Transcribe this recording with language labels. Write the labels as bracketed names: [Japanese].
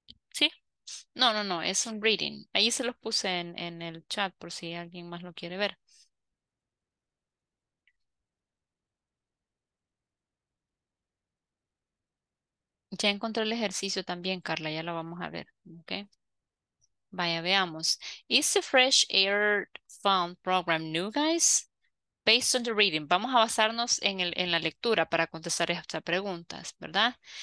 [Spanish] Sí. No, es un reading. Ahí se los puse en el chat por si alguien más lo quiere ver. Ya encontré el ejercicio también, Carla, ya lo vamos a ver, ¿ok? Vaya, veamos. [English] Is the Fresh Air Fund program new, guys? Based on the reading. [Spanish] Vamos a basarnos en la lectura para contestar estas preguntas, ¿verdad?